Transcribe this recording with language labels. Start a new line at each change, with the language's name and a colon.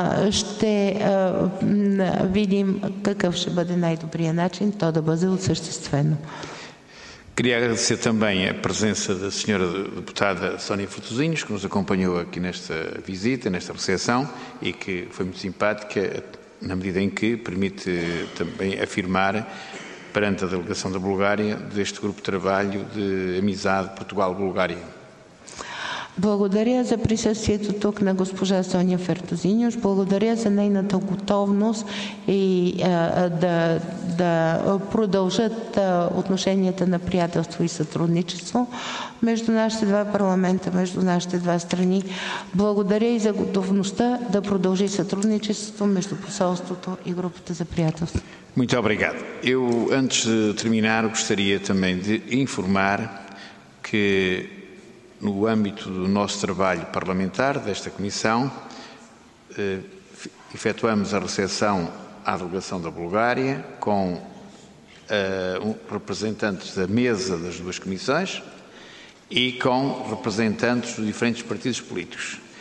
Bulgarian: Ще видим какъв ще бъде най-добрият начин то да бъде осъществено.
Portuguese: Queria agradecer também a presença da senhora deputada Sónia Frutuzinhos, que nos acompanhou aqui nesta visita, nesta recepção, e que foi muito simpática, na medida em que permite também afirmar, perante a delegação da Bulgária, deste grupo de trabalho de amizade Portugal-Bulgária.
Bulgarian: Благодаря за присъствието тук на госпожа Соня Фертозиньош. Благодаря за нейната готовност и да продължат отношенията на приятелство и сътрудничество между нашите два парламента, между нашите два страни. Благодаря и за готовността да продължи сътрудничеството между посолството и групата за приятелство.
Portuguese: Muito obrigado. Eu, antes de terminar, gostaria também de informar que no âmbito do nosso trabalho parlamentar, desta Comissão, efetuamos a recepção à delegação da Bulgária com representantes da mesa das duas comissões e com representantes dos diferentes partidos políticos.